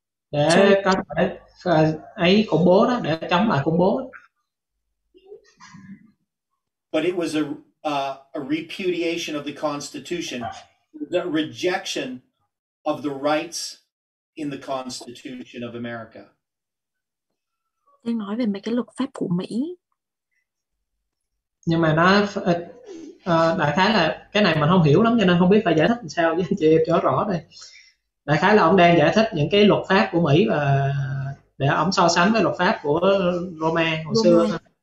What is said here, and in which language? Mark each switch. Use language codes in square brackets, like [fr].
[vi] Để các bạn ấy khủng bố đó, để chống lại khủng bố. [en] But it was a repudiation of the Constitution, the rejection of the rights in the Constitution of America. [vi] Đang nói về mấy cái luật pháp của Mỹ. Nhưng mà nó đại khái là cái này mình không hiểu lắm cho nên không biết phải giải thích làm sao với chị em cho rõ đây. Đại khái là ông đang giải thích những cái luật pháp của Mỹ và để ông so sánh với luật pháp của Roma hồi xưa.